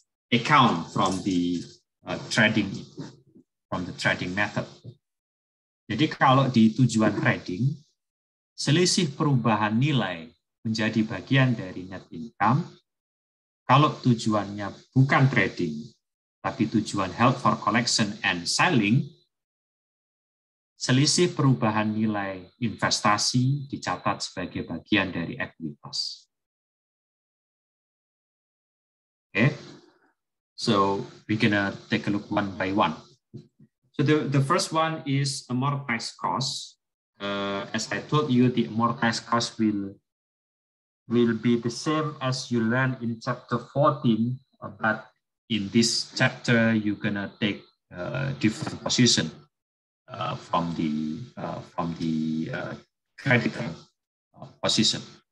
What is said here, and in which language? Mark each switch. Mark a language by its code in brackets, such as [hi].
[en] Account from the trading, from the trading method. [id] Jadi kalau di tujuan trading, selisih perubahan nilai menjadi bagian dari net income. Kalau tujuannya bukan trading, tapi tujuan [en] held for collection and selling, [id] selisih perubahan nilai investasi dicatat sebagai bagian dari equitas. [en] Okay. So we're going to take a look one by one. So the first one is amortized cost. As I told you, the amortized cost will be the same as you learn in chapter 14, but in this chapter you're gonna take a different position from the creditor position.